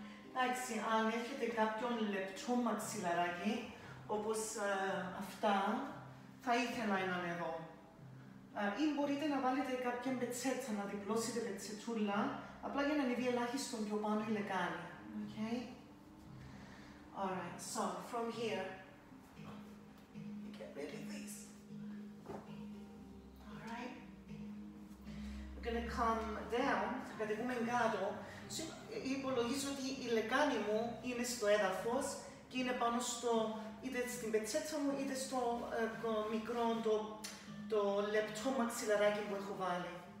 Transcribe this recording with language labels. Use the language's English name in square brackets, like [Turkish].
[Greek] Εντάξει, αν έχετε κάποιον λεπτό μαξιλαράκι, όπως αυτά, θα ήθελα έναν εδώ. Ή μπορείτε να βάλετε κάποια πετσέτα, να διπλώσετε πετσετούλα, απλά για να ανεβεί ελάχιστο πιο πάνω η λεκάνη. [English] Okay. All right, so from here, get rid of this. All right, we're gonna come down. [Greek] Θα κατεβούμε κάτω. Υπολογίζω ότι η λεκάνη μου είναι στο έδαφος και είναι πάνω στο, είτε στην πετσέτα μου, είτε στο το μικρό, το λεπτό μαξιλαράκι που έχω βάλει.